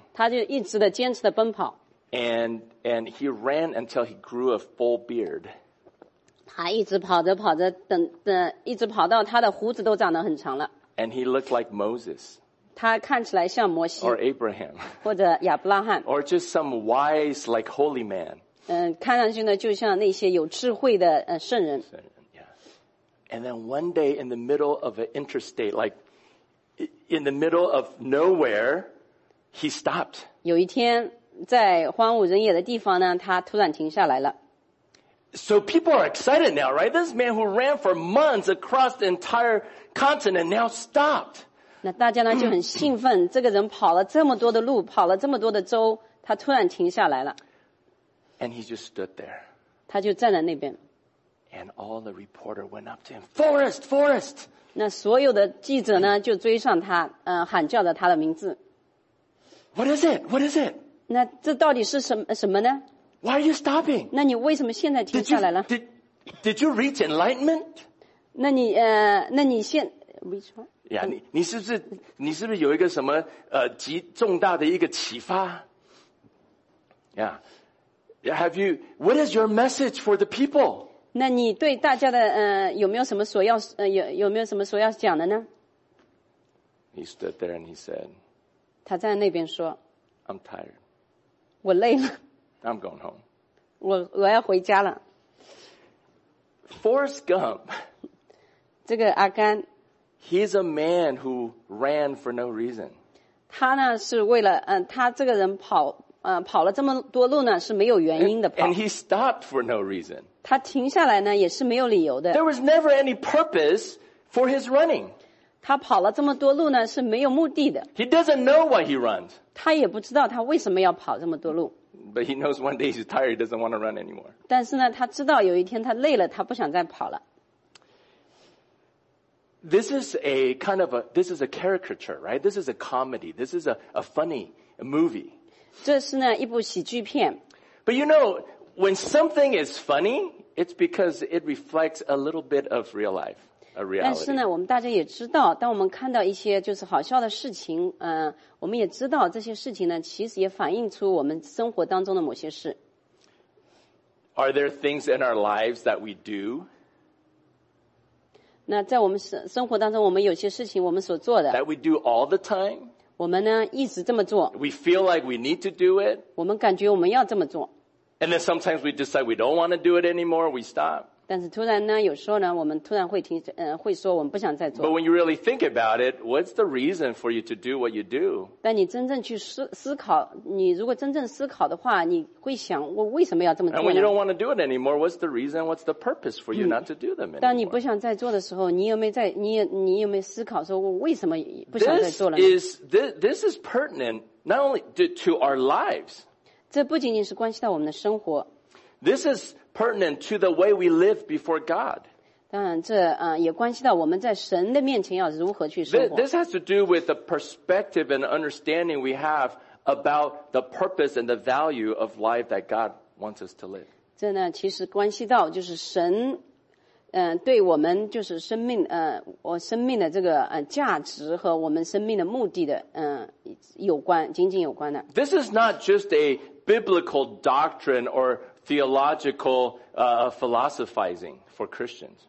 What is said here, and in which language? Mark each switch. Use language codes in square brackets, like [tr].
[zh] 他就一直的坚持的奔跑。 [en] And he ran until he grew a full beard. [zh] 他一直跑着跑着等一直跑到他的胡子都长得很长了。 [en] And he looked like Moses. [zh] 他看起来像摩西。 [en] Or Abraham. [zh] 或者亚伯拉罕。 [en] Or just some wise, like holy man. [zh] 看上去呢就像那些有智慧的圣人。 [en] And then one day in the middle of an interstate, like in the middle of nowhere, he stopped. [zh] 有一天在荒无人野的地方呢他突然停下来了。 [en] So people are excited now, right? This man who ran for months across the entire continent now stopped. [zh] 那大家呢就很兴奋这个人跑了这么多的路跑了这么多的州他突然停下来了。 [en] And he just stood there. [zh] 他就站在那边。 [en] And all the reporter went up to him. Forrest, Forrest! [zh] 那所有的记者呢就追上他喊叫着他的名字。 [en] What is it? What is it? [zh] 那这到底是什么呢 [en] Why are you stopping? [zh] 那你为什么现在停下来了 [en] did you reach enlightenment? [zh] 那你现 [en] reach what? Yeah, [zh] 你是不是有一个什么极重大的一个启发 Yeah. [en] Have you, what is your message for the people? [zh] 那你对大家的有没有什么所要有没有什么所要讲的呢 [en] ？He stood there and he said. [zh] 他站在那边说。 [en] I'm tired. [zh] 我累了。 [en] I'm going home. [zh] 我要回家了。 [en] Forrest Gump. [zh] 这个阿甘。 [en] He's a man who ran for no reason. [zh] 他呢是为了他这个人跑。跑了这么多路呢是没有原因的跑。 [en] And he stopped for no reason. [zh] 他停下来呢也是没有理由的。 [en] There was never any purpose for his running. [zh] 他跑了这么多路呢是没有目的的。 [en] He doesn't know why he runs. [zh] 他也不知道他为什么要跑这么多路。 [en] But he knows one day he's tired, he doesn't want to run anymore. [zh] 但是呢他知道有一天他累了他不想再跑了。 [en] This is a kind of a, this is a caricature, right? This is a comedy. This is a funny a movie. [zh] 这是呢一部喜剧片。 [en] But you know, when something is funny, it's because it reflects a little bit of real life, a reality. [zh] 但是呢我们大家也知道当我们看到一些就是好笑的事情我们也知道这些事情呢其实也反映出我们生活当中的某些事。 [en] Are there things in our lives that we do? [zh] 那在我们生活当中我们有些事情我们所做的。 [en] That we do all the time? [zh] 我们呢一直这么做。 [en] We feel like we need to do it. [zh] 我们感觉我们要这么做。 [en] And then sometimes we decide we don't want to do it anymore, we stop. [zh] 但是突然呢，有时候呢，我们突然会停，会说我们不想再做。 [en] But when you really think about it, what's the reason for you to do what you do? [zh] 但你真正去思考，你如果真正思考的话，你会想我为什么要这么做呢？ [en] And when you don't want to do it anymore, what's the reason? What's the purpose for you not to do them anymore? [zh] 当你不想再做的时候，你有没有思考说我为什么不想再做了呢？ [en] This is pertinent not only to our lives. [zh] 这不仅仅是关系到我们的生活。 [en] This is pertinent to the way we live before God. [zh] 当然这也关系到我们在神的面前要如何去生活。 [en] This has to do with the perspective and understanding we have about the purpose and the value of life that God wants us to live. [zh] 这呢其实关系到就是神对我们就是生命我生命的这个价值和我们生命的目的的有关紧紧有关的。 [en] This is not just a biblical doctrine or theological philosophizing for Christians.